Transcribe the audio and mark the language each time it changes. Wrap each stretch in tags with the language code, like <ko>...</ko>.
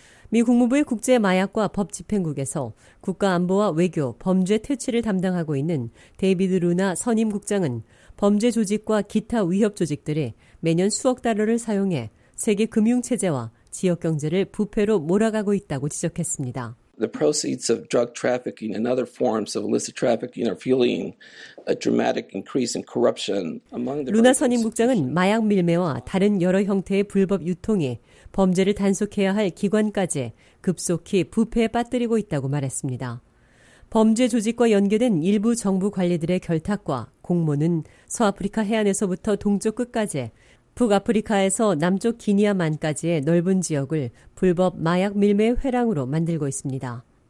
<ko>미 국무부의 국제마약과 법집행국에서 국가안보와 외교, 범죄 퇴치를 담당하고 있는 데이비드 루나 선임국장은 범죄 조직과 기타 위협 조직들이 매년 수억 달러를 사용해 세계 금융체제와 지역경제를 부패로 몰아가고 있다고 지적했습니다.</ko> <en>The proceeds of drug trafficking and other forms of illicit trafficking are fueling a dramatic increase in corruption among the</en> <ko>루나 선임국장은 마약 밀매와 다른 여러 형태의 불법 유통이 범죄를 단속해야 할 기관까지 급속히 부패에 빠뜨리고 있다고 말했습니다. 범죄 조직과 연계된 일부 정부 관리들의 결탁과 공모는 서아프리카 해안에서부터 동쪽 끝까지 북아프리카에서 남쪽 기니아만까지의 넓은 지역을 불법 마약 밀매의 회랑으로 만들고 있습니다.</ko>